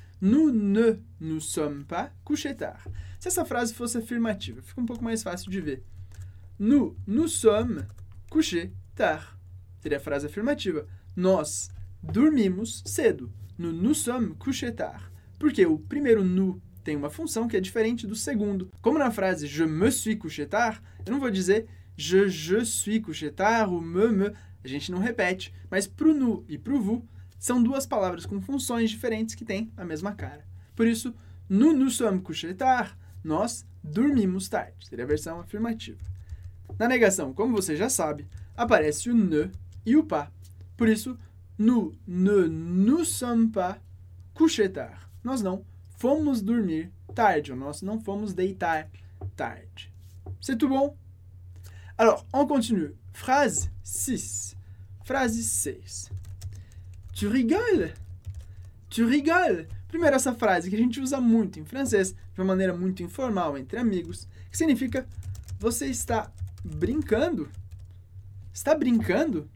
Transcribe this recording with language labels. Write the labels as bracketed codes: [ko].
[fr] Nous ne nous sommes pas couchés tard. [pt] Se essa frase fosse afirmativa, fica um pouco mais fácil de ver. [fr] Nous nous sommes couchés tard. [pt] Seria a frase afirmativa. Nós dormimos cedo. [fr] Nous nous sommes couchés tard. [pt] Porque o primeiro nous tem uma função que é diferente do segundo. Como na frase [fr] je me suis couché tard, [pt] eu não vou dizer je suis couché tard ou me. A gente não repete. Mas pro nous e pro vous, são duas palavras com funções diferentes que têm a mesma cara. Por isso, [fr] nous nous sommes couchés tard, [pt] nós dormimos tarde. Seria a versão afirmativa. Na negação, como você já sabe, aparece o ne e o pas. Por isso, [fr] nous ne nous sommes pas couchés tard. [pt] Nós não fomos dormir tarde, ou nós não fomos deitar tarde. [fr] C'est tout bon? Alors, on continue. Phrase 6. Phrase 6. Tu rigoles? Tu rigoles? [pt] Primeiro, essa frase que a gente usa muito em francês, de uma maneira muito informal entre amigos, que significa você está brincando? Está brincando?